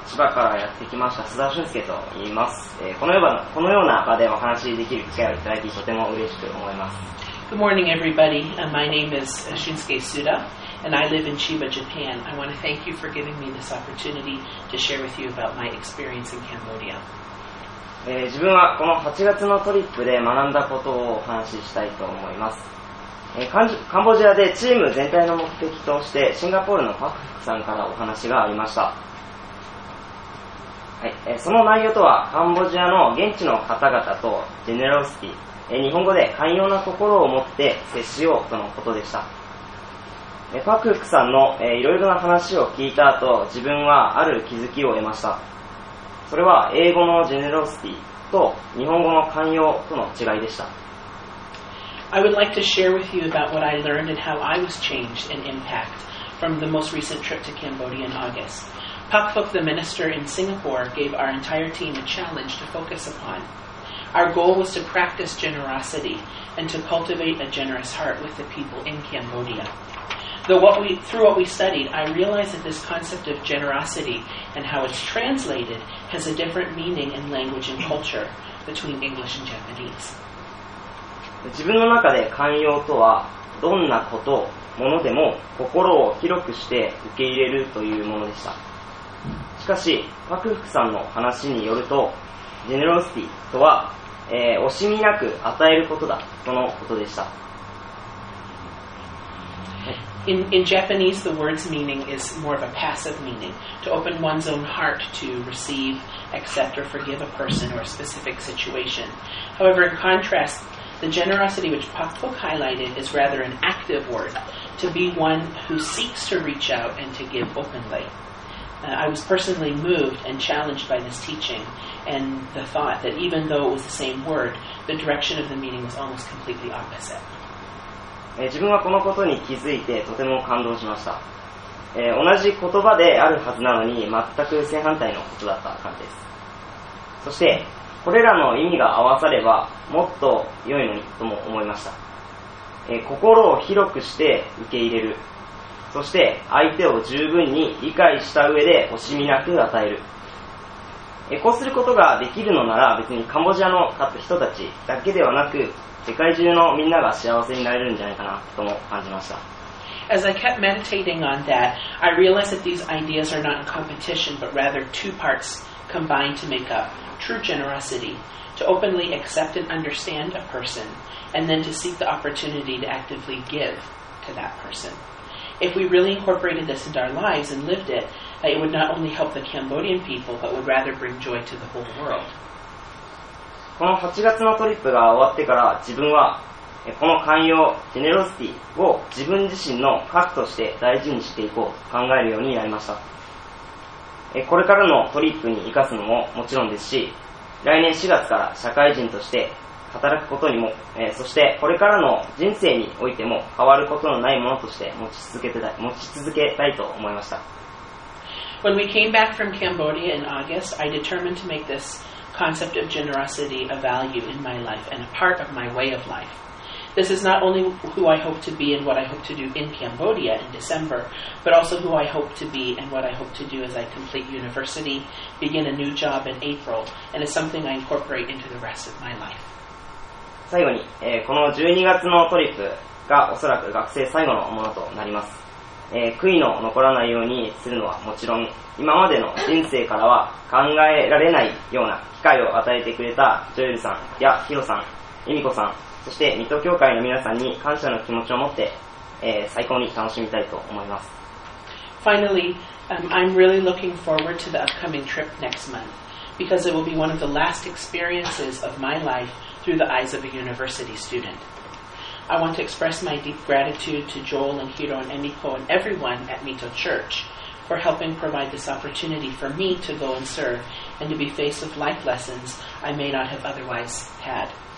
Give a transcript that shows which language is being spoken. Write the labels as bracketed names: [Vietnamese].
[Japanese] 千葉からやってきました須田俊介と言います。このような場でお話しできる機会をいただきとても嬉しく思います。 [English] Good morning everybody. My name is Shunsuke Suda and I live in Chiba, Japan. I want to thank you for giving me this opportunity to share with you about my experience in Cambodia. [Japanese] 自分はこの8月のトリップで学んだことをお話ししたいと思います。カンボジアでチーム全体の目的としてシンガポールのパクフクさんからお話がありました。はい、その内容とはカンボジアの現地の方々とジェネロシティ、日本語で寛容な心を持って接しようとのことでした。パクフクさんのいろいろな話を聞いた後、自分はある気づきを得ました。それは英語のジェネロシティと日本語の寛容との違いでした。 [English] I would like to share with you about what I learned and how I was changed and impacted from the most recent trip to Cambodia in August. Pak Phuk, the minister in Singapore, gave our entire team a challenge to focus upon. Our goal was to practice generosity and to cultivate a generous heart with the people in Cambodia. Through what we studied, I realized that this concept of generosity and how it's translated has a different meaning in language and culture between English and Japanese. [Japanese] 自分の中で寛容とはどんなこと、ものでも心を広くして受け入れるというものでした。しかし、パクフクさんの話によると、ジェネロシティとは、惜しみなく与えることだ、とのことでした。 [English] In Japanese, the word's meaning is more of a passive meaning, to open one's own heart to receive, accept, or forgive a person or a specific situation. However, in contrast,The generosity which Pak Phuk highlighted is rather an active word, to be one who seeks to reach out and to give openly. I was personally moved and challenged by this teaching and the thought that even though it was the same word, the direction of the meaning was almost completely opposite. [Japanese] 自分はこのことに気づいてとても感動しました。同じ言葉であるはずなのに全く正反対のことだった感じです。そしてこれらの意味が合わさればもっと良いのにとも思いました。心を広くして受け入れる、そして相手を十分に理解した上で惜しみなく与える、こうすることができるのなら別にカンボジアの人たちだけではなく世界中のみんなが幸せになれるんじゃないかなとも感じました。 [English] As I kept meditating on that, I realized that these ideas are not in competition, but rather two parts combined to make up true generosity, to openly accept and understand a person, and then to seek the opportunity to actively give to that person. If we really incorporated this into our lives and lived it, it would not only help the Cambodian people, but would rather bring joy to the whole world. [Japanese] この8月のトリップが終わってから自分はこの寛容、ジェネロシティを自分自身の核として大事にしていこうと考えるようになりました。これからのトリップに生かすのももちろんですし、来年4月から社会人として働くことにも、そしてこれからの人生においても変わることのないものとして持ち続けたいと思いました。 [English] When we came back from Cambodia in August, I determined to make this concept of generosity a value in my life and a part of my way of life. This is not only who I hope to be and what I hope to do in Cambodia in December, but also who I hope to be and what I hope to do as I complete university, begin a new job in April, and it's something I incorporate into the rest of my life. [Japanese] 最後に、この12月のトリップがおそらく学生最後のものとなります。悔いの残らないようにするのはもちろん、今までの人生からは考えられないような機会を与えてくれたジョエルさんやヒロさん、エミコさん、そして水戸教会の皆さんに感謝の気持ちを持って、最高に楽しみたいと思います。 [English] Finally, I'm really looking forward to the upcoming trip next month because it will be one of the last experiences of my life through the eyes of a university student. I want to express my deep gratitude to Joel and Hiro and Emiko and everyone at Mito Church for helping provide this opportunity for me to go and serve and to be faced with life lessons I may not have otherwise had.